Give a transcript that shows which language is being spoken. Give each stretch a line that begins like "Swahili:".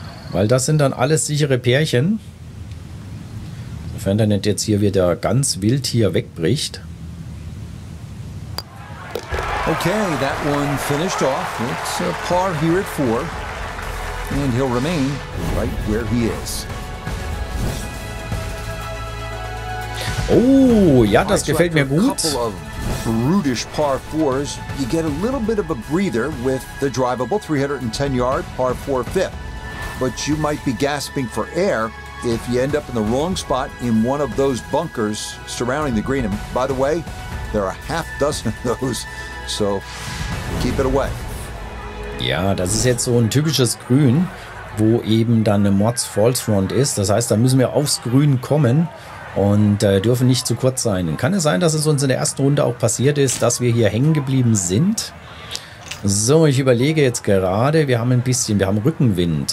German: Weil das sind dann alles sichere Pärchen. Sofern der nicht jetzt hier wieder ganz wild hier wegbricht.
English: Okay, that one finished off. It's a par here at 4. And he'll remain right where he is.
German: Oh, ja, das gefällt mir gut.
English: Brutish par 4s, you get a little bit of a breather with the drivable 310-yard par 4 fifth. But you might be gasping for air if you end up in the wrong spot in one of those bunkers surrounding the green. And by the way, there are a half dozen of those, so keep it away.
German: Ja, das ist jetzt so ein typisches Grün, wo eben dann eine Mods False Front ist. Das heißt, da müssen wir aufs Grün kommen. Und dürfen nicht zu kurz sein. Kann es sein, dass es uns in der ersten Runde auch passiert ist, dass wir hier hängen geblieben sind? So, ich überlege jetzt gerade, wir haben Rückenwind.